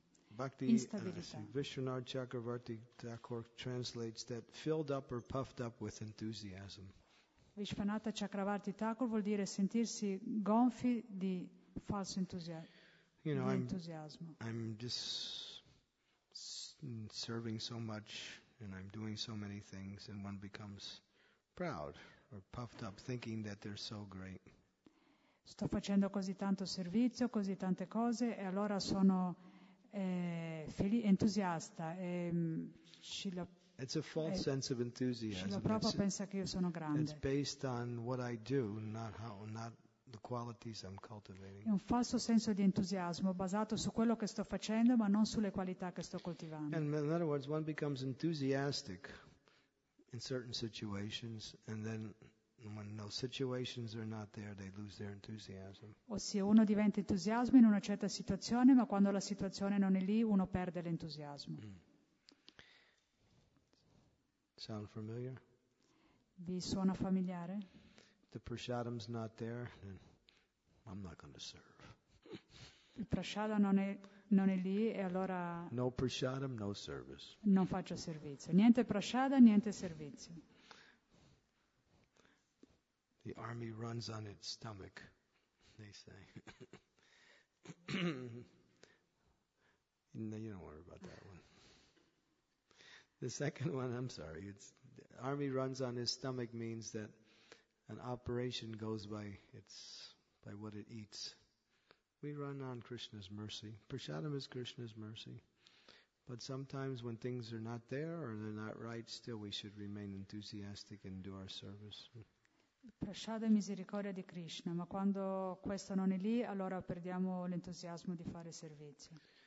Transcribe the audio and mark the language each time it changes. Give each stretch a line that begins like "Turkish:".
English: Bhakti, Vishwanar Chakravarti Thakur translates that filled up or puffed up with enthusiasm.
Italian: Vishwanatha Chakravarti Thakur vuol dire sentirsi gonfi di falso entusiasmo.
English: You know, I'm just serving so much and I'm doing so many things and one becomes proud or puffed up thinking that they're so great.
Italian: Sto facendo così tanto servizio, così tante cose e allora sono entusiasta, Srila
English: It's a false sense of enthusiasm.
Italian: Pensa che io sono grande.
English: It's based on what I do, not the qualities I'm cultivating.
Italian: È un falso senso di entusiasmo basato su quello che sto facendo, ma non sulle qualità che sto coltivando.
English: And in other words, one becomes enthusiastic in certain situations, and then when those situations are not there, they lose their enthusiasm.
Italian: Ossia, uno diventa entusiasmo in una certa situazione, ma quando la situazione non è lì, uno perde l'entusiasmo.
English: Sound familiar?
Italian: Vi suona familiare?
English: The prashadam's not there, then I'm not going to serve.
Italian: Il prashadam non è lì e allora.
English: No prashadam, no service.
Italian: Non faccio servizio. Niente prashadam, niente servizio.
English: The army runs on its stomach, they say. No, you don't worry about that one. The second one, I'm sorry, it's the army runs on his stomach means that an operation goes by what it eats. We run on Krishna's mercy. Prashadam is Krishna's mercy. But sometimes when things are not there or they're not right, still we should remain enthusiastic and do our service.
Italian: Prashadam è misericordia di Krishna, ma quando questo non è lì, allora perdiamo l'entusiasmo di fare servizio.